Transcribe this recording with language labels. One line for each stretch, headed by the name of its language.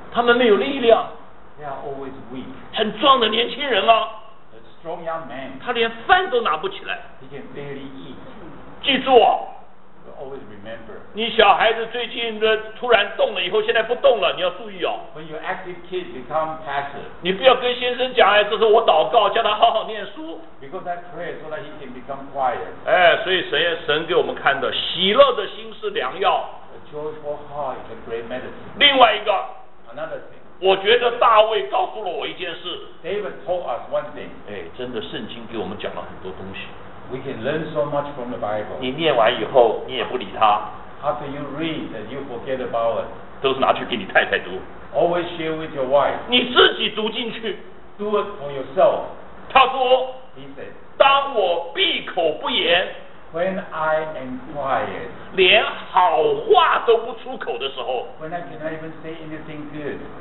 Chinese: 他们没有力量。
English: They are always weak.
Chinese: 很壮的年轻人啊。
English: A strong young man.
Chinese: 他连饭都拿不起来。
English: He can barely eat.
Chinese: 记住哦。
English: Always remember.
Chinese: 你小孩子最近的突然动了以后，现在不动了，你要注意哦。
English: When your active kid become passive.
Chinese: 你不要跟先生讲，哎，这是我祷告，叫他好好念书。
English: Because that prayer so that he can become quiet.
Chinese: 哎，所以神给我们看的，喜乐的心是良药。
English: A joyful heart is a great medicine.
Chinese: 另外一个。
English: Another thing.
Chinese: 我觉得大卫告诉了我一件事。
English: David told us one thing.
Chinese: 哎，真的，圣经给我们讲了很多东西。
English: We can learn so much from the Bible.
Chinese: 你念完以后，你也不理他。
English: After you read and you forget about it.
Chinese: 都是拿去给你太太读。
English: Always share with your wife.
Chinese: 你自己读进去。
English: Do it for yourself.
Chinese: 他说。
English: He said.
Chinese: 当我闭口不言。
English: When I am quiet.
Chinese: 连好话都不出口的时候。
English: When I cannot even say anything good.